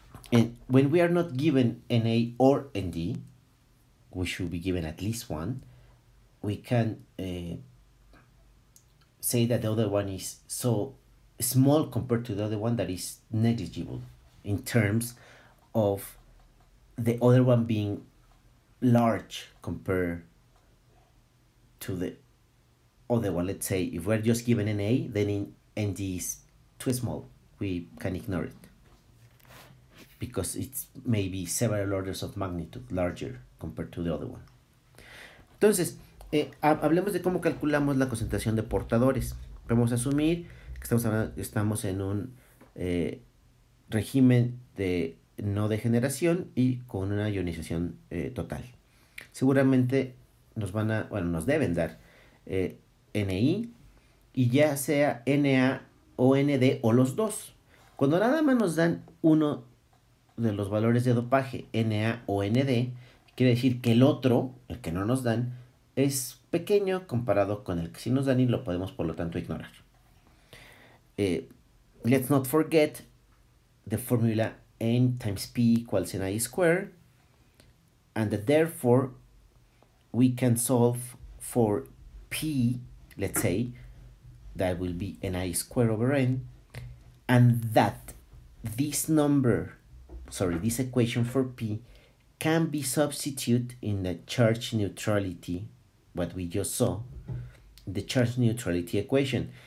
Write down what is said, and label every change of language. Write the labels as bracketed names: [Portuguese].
[English] And when we are not given Na or Nd, we should be given at least one, we can say that the other one is so small compared to the other one that is negligible in terms of the other one being large compared to the other one. Let's say if we're just given an A, then in ND is too small. We can ignore it because it's maybe several orders of magnitude larger compared to the other one. [Spanish] Entonces, hablemos de cómo calculamos la concentración de portadores. Vamos a asumir que estamos en un régimen de no degeneración y con una ionización total. Seguramente nos van a, bueno, nos deben dar NI, y ya sea NA o ND o los dos. Cuando nada más nos dan uno de los valores de dopaje, NA o ND, quiere decir que el otro, el que no nos dan, es pequeño comparado con el que sí nos dan y lo podemos, por lo tanto, ignorar. [English] Let's not forget the formula N times P equals NI square, and that therefore we can solve for P, let's say, that will be NI square over N, and that this number, sorry, this equation for P can be substituted in the charge neutrality, what we just saw, the charge neutrality equation.